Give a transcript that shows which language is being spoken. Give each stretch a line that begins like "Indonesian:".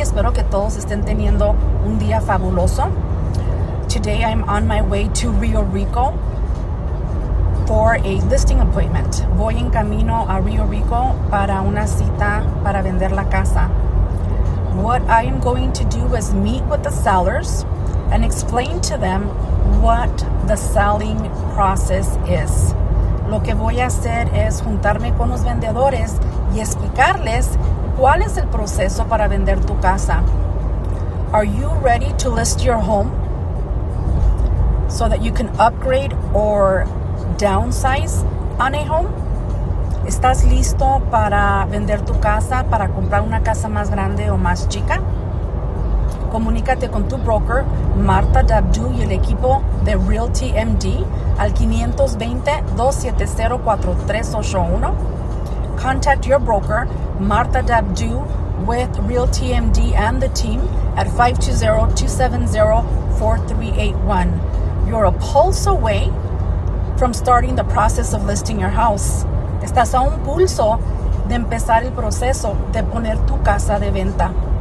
Spanish: Espero que todos estén teniendo un día fabuloso.
English: Today I'm on my way to Rio Rico for a listing appointment.
Spanish: Voy en camino a Rio Rico para una cita para vender la casa.
English: What I am going to do is meet with the sellers and explain to them what the selling process is.
Spanish: Lo que voy a hacer es juntarme con los vendedores y explicarles cuál es el proceso para vender tu casa.
English: Are you ready to list your home so that you can upgrade or downsize on a home?
Spanish: ¿Estás listo para vender tu casa, para comprar una casa más grande o más chica? Comunícate con tu broker, Marta Dabdu, y el equipo de Realty MD al 520-270-4381.
English: Contact your broker, Marta Dabdu, with Realty MD and the team at 520-270-4381. You're a pulse away from starting the process of listing your house.
Spanish: Estás a un pulso de empezar el proceso de poner tu casa de venta.